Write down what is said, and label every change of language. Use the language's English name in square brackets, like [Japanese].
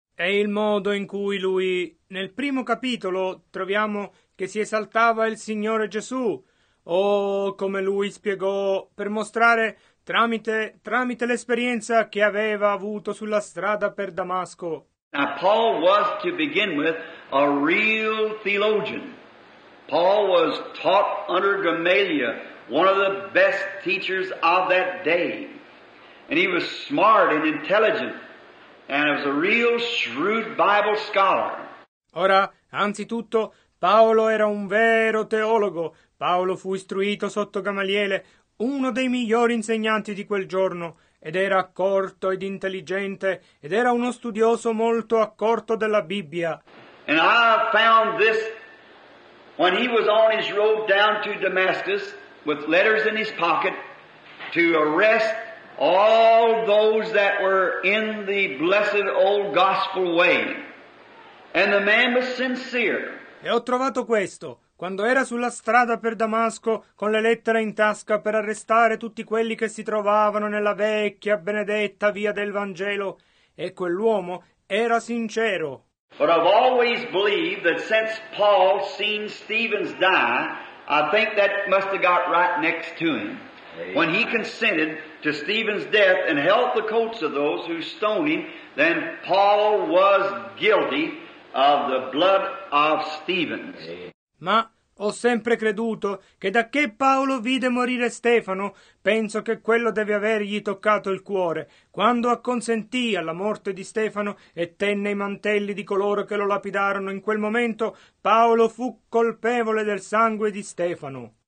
[Italian] È il modo in cui lui, nel primo capitolo, troviamo che si esaltava il Signore Gesù. Oh, come lui spiegò per mostrare tramite l'esperienza che aveva avuto sulla strada per Damasco. [English] Now, Paul was to begin with a real theologian. Paul was taught under Gamaliel, one of the best teachers of that day. And he was smart and intelligent, and was a real shrewd Bible scholar. [Italian] Ora, anzitutto, Paolo era un vero teologo. Paolo fu istruito sotto Gamaliele, uno dei migliori insegnanti di quel giorno, ed era accorto ed intelligente, ed era uno studioso molto accorto della Bibbia. [English] And I found this when he was on his road down to Damascus with letters in his pocket to arrest all those that were in the blessed old gospel way. And the man was sincere. [Italian] E ho trovato questo. Quando era sulla strada per Damasco con le lettere in tasca per arrestare tutti quelli che si trovavano nella vecchia benedetta via del Vangelo, e quell'uomo era sincero. [English] But I've always believed that since Paul seen Stephen's die, I think that must have got right next to him. When he consented to Stephen's death and held the coats of those who stoned him, then Paul was guilty of the blood of Stephen. [Italian] Ma ho sempre creduto che da che Paolo vide morire Stefano, penso che quello deve avergli toccato il cuore, quando acconsentì alla morte di Stefano e tenne i mantelli di coloro che lo lapidarono, in quel momento Paolo fu colpevole del sangue di Stefano.